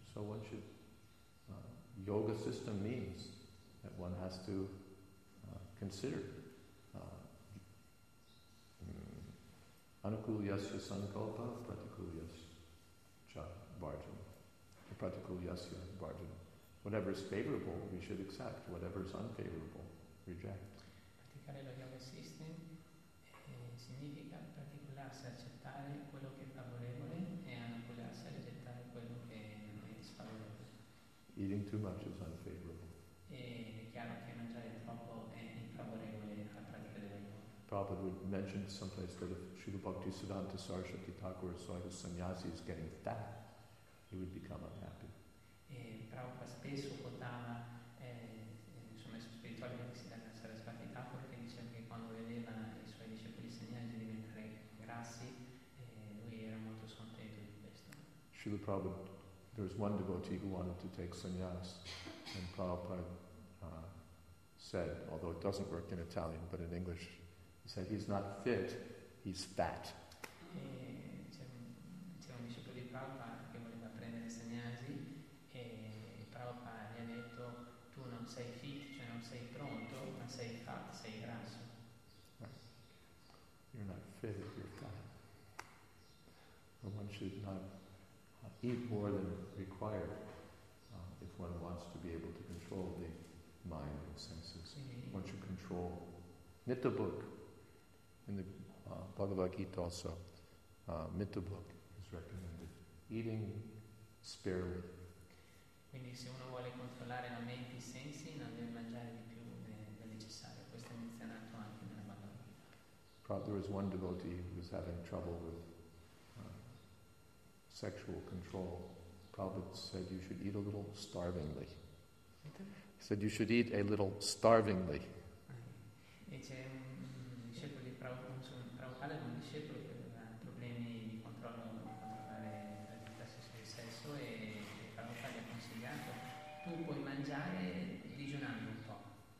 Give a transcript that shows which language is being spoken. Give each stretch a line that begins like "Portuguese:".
English: So one should yoga system means that one has to consider
Sanskrit: Anukulyasya Sankalpa Pratikulyasya Bhajan.
English: Pratikulyasya Bhajan. Whatever is favorable we should accept, whatever is unfavorable, reject.
Italian: Lo yoga system significa particolarsi, accettare quello che è favorevole e annullarsi, accettare quello che non è sfavorevole.
English: Eating too much is unfavorable.
Italian: E è chiaro che mangiare troppo è infavorevole alla pratica della yoga.
English: Prabhupada would mention someplace that if Srila Bhaktisiddhanta Saraswati Thakur saw his sannyasi is getting fat, he would become unhappy.
Italian: E Prabhupada spesso quotava il maestro spirituale Bhaktisiddhanta Saraswati Thakur, che diceva che quando vedeva i suoi discepoli segnali diventare grassi, lui era molto scontento di questo.
English: Srila Prabhupada, there was one devotee who wanted to take sannyas, and Prabhupada said, although it doesn't work in Italian, but in English, he said, he's not fit, he's fat.
Italian: C'era un discepolo di Prabhupada che voleva prendere sannyasi, e Prabhupada gli ha detto, tu non sei fit, cioè non sei pronto, ma sei fat, sei grasso.
English: You're not fit, you're fat. But one should not eat more than required if one wants to be able to control the mind and senses. Mm-hmm. One should control. Mitta book, in the Bhagavad Gita also, mitta book is recommended. Eating sparingly.
Italian: Quindi se uno vuole controllare la mente e i sensi, non deve mangiare di più del necessario. Questo è menzionato anche nella Bhagavad Gita.
English: There was one devotee who was having trouble with sexual control. Prabhupada said you should eat a little starvingly. He said you should eat a little starvingly.
Italian: E c'è un discepolo di Prabhupada, un discepolo che aveva problemi di controllo, di controllare la vita del sesso, e Prabhupada gli ha consigliato: tu puoi mangiare digiunando un po'.